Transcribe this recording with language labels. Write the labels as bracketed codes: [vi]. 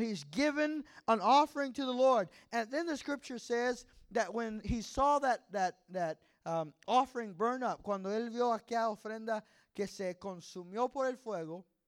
[en] He's given an offering to the Lord. And then the scripture says that when he saw that offering burn up, [es] cuando él vio aquella ofrenda que se consumió por el fuego,